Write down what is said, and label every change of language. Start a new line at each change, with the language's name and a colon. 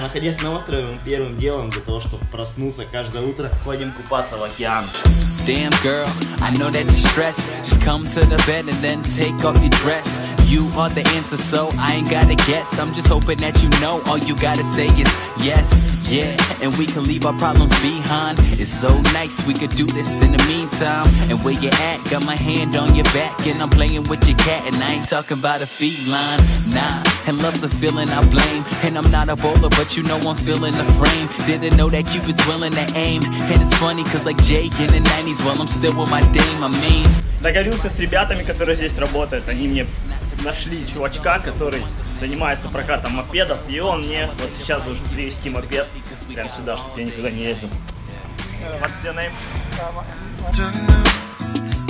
Russian: Находясь на острове, мы первым делом для того, чтобы проснуться каждое утро, ходим купаться в океан.
English: Damn girl, I know that you're stressed. Just come to the bed and then take off your dress. You are the answer, so I ain't gotta guess. I'm just hoping that you know all you gotta say is yes, yeah. And we can leave our problems behind. It's so nice, we could do this in the meantime. And where you at? Got my hand on your back. And I'm playing with your cat and I ain't talking about a feline. Nah, and love's a feeling I blame. And I'm not a bowler, but you know I'm feeling the frame. Didn't know that Cupid's willing to aim. And it's funny, cause like Jake in the 90s, well I'm still with my dame, I mean.
Russian: Договорился с ребятами, которые здесь работают. Они мне нашли чувачка, который занимается прокатом мопедов, и он мне вот сейчас должен привезти мопед прямо сюда, чтобы я никуда не ездил.
English: What's your name?